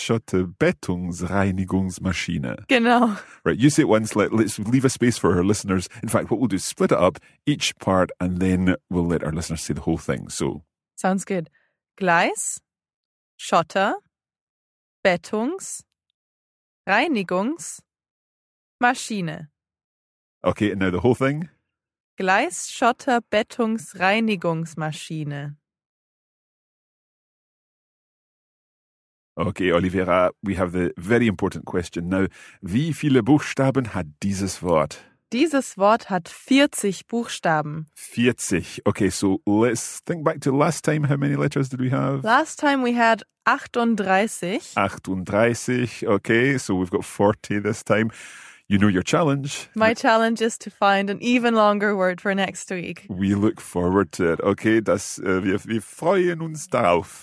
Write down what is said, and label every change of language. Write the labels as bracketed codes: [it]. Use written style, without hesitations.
[de] Gleisschotterbettungsreinigungsmaschine. Genau. [en] Right, you say it once, let's leave a space for our listeners. In fact, what we'll do is split it up, each part, and then we'll let our listeners say the whole thing. So. Sounds good. [de] Gleisschotterbettungsreinigungsmaschine. [en] Okay, and now the whole thing? [de] Gleisschotterbettungsreinigungsmaschine. [en] Okay, Oliveira, we have the very important question now. [de] Wie viele Buchstaben hat dieses Wort? Dieses Wort hat 40 Buchstaben. 40. [en] Okay, so let's think back to last time. How many letters did we have? Last time we had 38. 38. Okay, so we've got 40 this time. You know your challenge. My challenge is to find an even longer word for next week. We look forward to it. [de] Okay, wir freuen uns darauf.